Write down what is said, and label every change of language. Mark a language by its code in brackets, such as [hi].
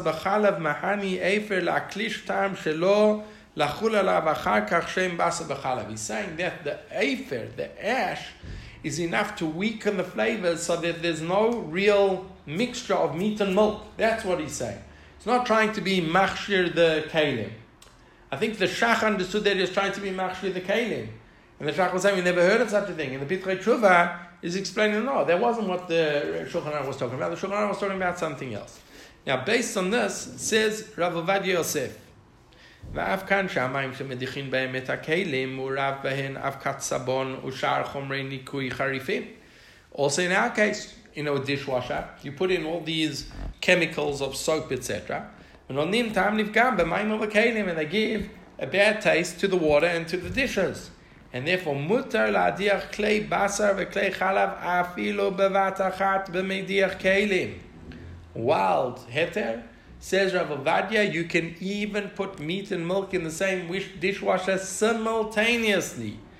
[en] He's saying that the Efer, the ash, is enough to weaken the flavor so that there's no real mixture of meat and milk. That's what he's saying. He's not trying to be machshir the kalim. I think the Shach understood that he was trying to be machshir the kalim. And the Shach was saying, we never heard of such a thing. And the Pitrei Tshuva is explaining, no, that wasn't what the Shulchan Aruch was talking about. The Shulchan Aruch was talking about something else. Now, based on this, says Rav Avadya Yosef, [he] ואף כאן שהמים שמדיחים בהם את הכלים מורב בהן אבקת סבון ושאר חומרי ניקוי חריפים. [en] Also in our case, you know, a dishwasher, you put in all these chemicals of soap, etc. [he] ונותנים טעם לפגם במים ובכלים, [en] and they give a bad taste to the water and to the dishes. And therefore, [he] מותר להדיח כלי בשר וכלי חלב אפילו בבת אחת במדיח כלים. [en] Wild, heter. Says Rav Avadya, you can even put meat and milk in the same dishwasher simultaneously.